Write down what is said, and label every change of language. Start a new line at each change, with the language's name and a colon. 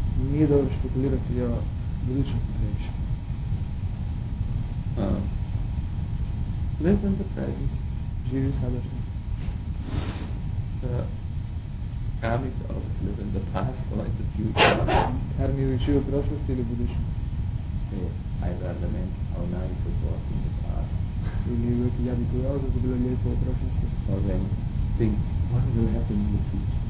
Bosnian: Nije dobro špekulirati o budućnosti previše.
English: Live in the present.
Bosnian: Živi u sadašnjosti.
English: The karmis always live in the past or in the future.
Bosnian: Karmi uvijek živi u prošlosti ili budućnosti.
English: Either lament how nice it was in the past.
Bosnian: Ili uvijek ja bi gledao da to bilo lijepo u prošlosti.
English: Or then think, what will happen in the future?